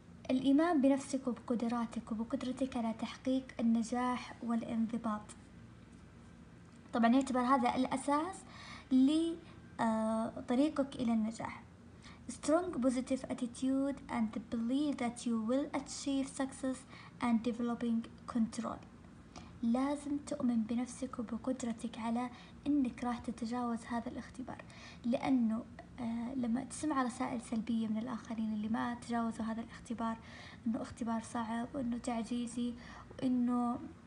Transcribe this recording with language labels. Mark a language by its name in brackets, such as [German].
[Arabic] الإيمان بنفسك وبقدراتك وبقدرتك على تحقيق النجاح والانضباط، طبعا يعتبر هذا الأساس لطريقك إلى النجاح. [English] Strong positive attitude and the belief that you will achieve success and developing control. [Arabic] لازم تؤمن بنفسك وبقدرتك على أنك راح تتجاوز هذا الاختبار، لأنه لما تسمع رسائل سلبية من الآخرين اللي ما تجاوزوا هذا الاختبار، أنه اختبار صعب وأنه تعجيزي وأنه